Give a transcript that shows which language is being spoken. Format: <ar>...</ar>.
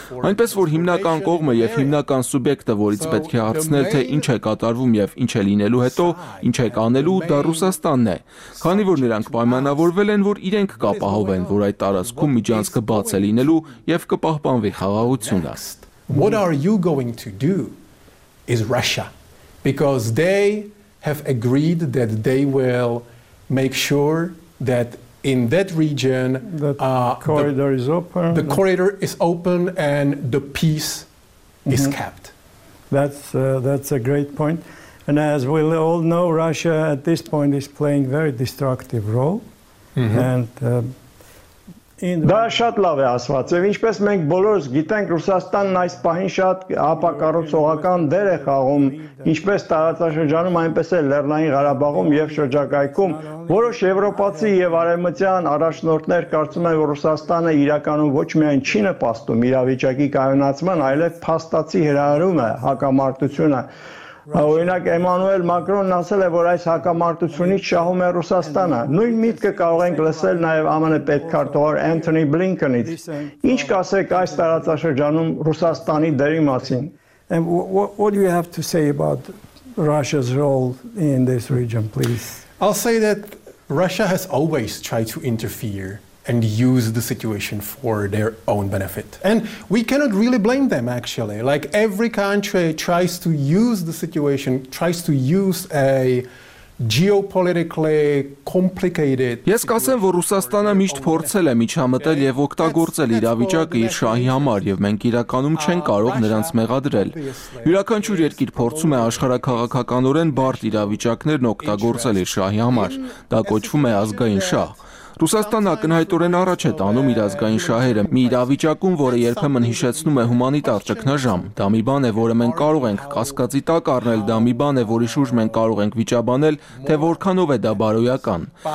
<hy>Այնպես որ հիմնական կողմը և հիմնական սուբյեկտը, որից պետք է հարցնել, թե ինչ է կատարվում և ինչ է լինելու հետո, ինչ է կանելու, դա Ռուսաստանն է, քանի որ նրանք պայմանավորվել են, որ իրենք կապահովեն, որ այդ տարածքում միջանցքը բաց է լինելու և կպահպանվի խաղաղությունը։</hy> <en>What are you going to do is Russia, because they have agreed that they will make sure that in that region the corridor is open and the peace mm-hmm. is kept. That's a great point. And as we all know, Russia at this point is playing very destructive role. Mm-hmm. And</en> <hy>Դա շատ լավ է ասված, եւ ինչպես մենք բոլորս գիտենք, Ռուսաստանն այս պահին շատ ապակառուցողական դեր է խաղում, ինչպես տարածաշրջանում, այնպես էլ Լեռնային Ղարաբաղում եւ շրջակայքում։ Որոշ եվրոպացի եւ արևմտյան առաջնորդներ կարծում են, որ Ռուսաստանը իրականում ոչ միայն չի նպաստում իրավիճակի կայունացման, այլև փաստացի հրահարում է հակամարտությունը։ Օրինակ Էմանուել Մակրոնն ասել է, որ այս հակամարտությունից շահում է Ռուսաստանը։ Նույն միտքը կարող ենք լսել նաև ԱՄՆ պետքարտուհար Անթոնի Բլինքենից։ Ինչ կասեք այս տարածաշրջանում Ռուսաստանի դերի մասին?</hy> <en>And what do you have to say about Russia's role in this region, please? I'll say that Russia has always tried to interfere and use the situation for their own benefit. And we cannot really blame them, actually. Like, every country tries to use the situation, tries to use a geopolitically complicated.</en> <hy>Ես կասեմ, որ Ռուսաստանը միշտ փորձել է միջամտել եւ օգտագործել իրավիճակը իր շահի համար, եւ մենք իրականում չեն կարող նրանց մեղադրել։ Յուրաքանչյուր երկիր փորձում է աշխարհակաղակականորեն բարդ իրավիճակներն օգտագործել իր շահի համար։ Դա կոչվում է ազգային շահ։ Ռուսաստանն ակնհայտորեն առաջ է տանում իր ազգային շահերը մի իրավիճակում, որը երբեմն հիշեցնում է հումանիտար ճգնաժամ։ Դա մի բան է, որը մենք կարող ենք կասկածի տակ առնել, դա մի բան է, որի շուրջ մենք կարող ենք վիճաբանել, թե որքանով է դա բարոյական։</hy>